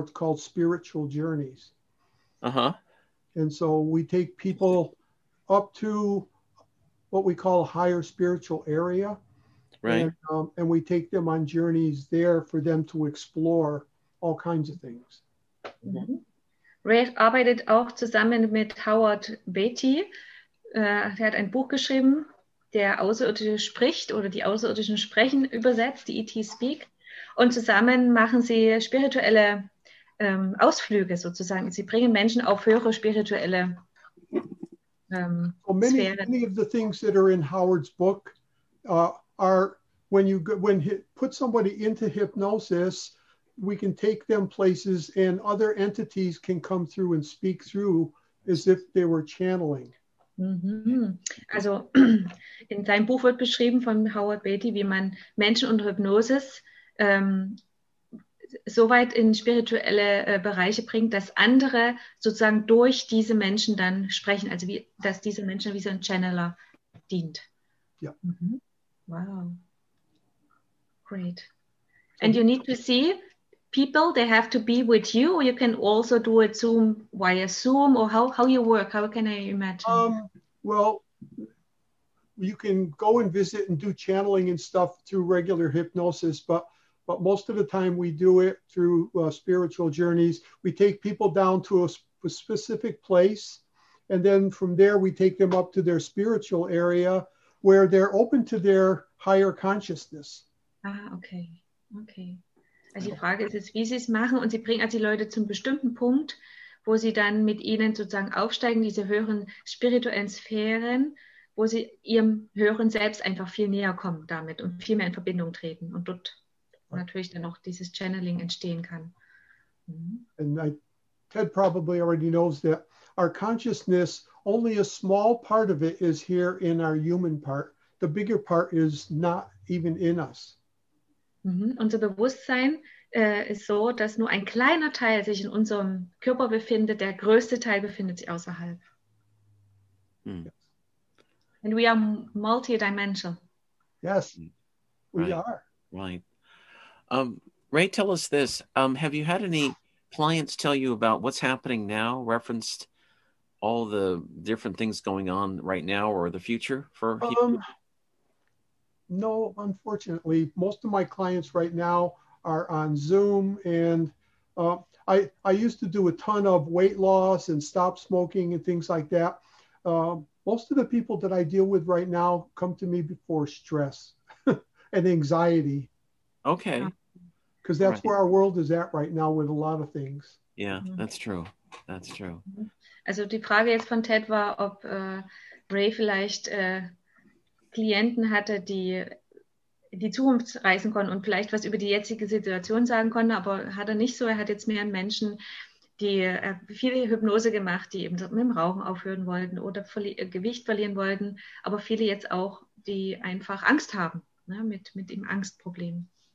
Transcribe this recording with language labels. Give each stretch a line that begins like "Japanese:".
English: It's called Spiritual Journeys. Uh-huh. And so we take people up to what we call a higher spiritual area. Right. And we take them on journeys there for them to explore all kinds of things. Mm-hmm.
German: Ray arbeitet auch zusammen mit Howard Beatty. Er hat ein Buch geschrieben, der Außerirdische spricht oder die Außerirdischen sprechen übersetzt, die ET Speak. Und zusammen machen sie spirituelle Ausflüge sozusagen. Sie bringen Menschen auf höhere spirituelle
English: Well, many of the things that are in Howard's book are when you put somebody into hypnosis, we can take them places and other entities can come through and speak through as if they were channeling. Mm-hmm.
German: Also in seinem Buch wird beschrieben von Howard Beatty, wie man Menschen unter Hypnosis so weit in spirituelle Bereiche bringt, dass andere sozusagen durch diese Menschen dann sprechen, also wie, dass diese Menschen wie so ein Channeler dient. Ja.
English: Mm-hmm. Wow. Great. And you need to see people, they have to be with you, or you can also do it Zoom, via Zoom, or how you work, how can I imagine? Well, you can go and visit and do channeling and stuff through regular hypnosis, but most of the time we do it through spiritual journeys. We take people down to a specific place, and then from there we take them up to their spiritual area where they're open to their higher consciousness. Ah, okay.
German: Also die Frage ist jetzt, wie sie es machen, und sie bringen also die Leute zum bestimmten Punkt, wo sie dann mit ihnen sozusagen aufsteigen, diese höheren spirituellen Sphären, wo sie ihrem höheren Selbst einfach viel näher kommen damit und viel mehr in Verbindung treten und dort natürlich dann auch dieses Channeling entstehen kann. Mm-hmm.
English: And Ted probably already knows that our consciousness, only a small part of it is here in our human part. The bigger part is not even in us. Mm-hmm.
German: Unser Bewusstsein ist so, dass nur ein kleiner Teil sich in unserem Körper befindet, der größte Teil befindet sich außerhalb. Mm.
English: And we are multidimensional. Yes, we are. Right. Ray, tell us this. Have you had any clients tell you about what's happening now, referenced all the different things going on right now or the future for you? No, unfortunately, most of my clients right now are on Zoom, and I used to do a ton of weight loss and stop smoking and things like that. Most of the people that I deal with right now come to me before stress and anxiety. Okay. Because that's right. Where our world is at right now with a lot of things. Yeah, mm-hmm. That's true.
German: Also die Frage jetzt von Ted war, ob Ray vielleicht Klienten hatte, die in die Zukunft reisen konnten und vielleicht was über die jetzige Situation sagen konnten, aber hat er nicht so. Er hat jetzt mehr Menschen, die viele Hypnose gemacht, die eben mit dem Rauchen aufhören wollten oder Gewicht verlieren wollten, aber viele jetzt auch, die einfach Angst haben, ne, mit dem Angstproblem.